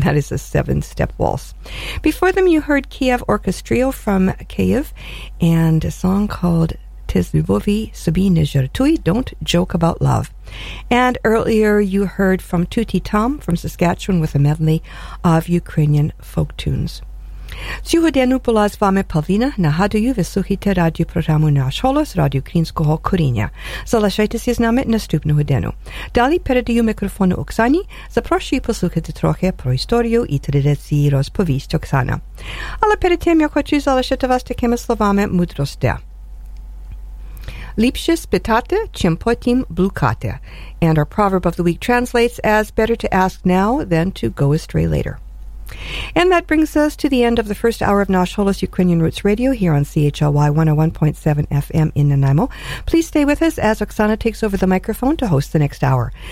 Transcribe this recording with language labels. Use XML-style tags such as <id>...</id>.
<en>That is a seven-step waltz. Before them, you heard Kiev Orchestrio from Kiev and a song called Tis Lubovi Sobi Ne Zhertui, Don't Joke About Love. And earlier you heard from Tuti Tom from Saskatchewan with a medley of Ukrainian folk tunes.</en> <uk>Сьогодні була з вами Павлина. Нагадую, ви слухаєте радіопрограму «Наш голос» Радіо Українського коріння. Залишайтеся з нами наступного дня. Далі передаю мікрофон Оксані. Запрошую послухати трохи про історію і традиції розповість Оксана. Але перед тим я хочу залишити вас такими словами мудрості. Ліпше спитати, чим потім блукати.</uk> <en>And our proverb of the week translates as better to ask now than to go astray later. And that brings us to the end of the first hour of Nash Holos Ukrainian Roots Radio here on CHLY 101.7 FM in Nanaimo. Please stay with us as Oksana takes over the microphone to host the next hour.</en>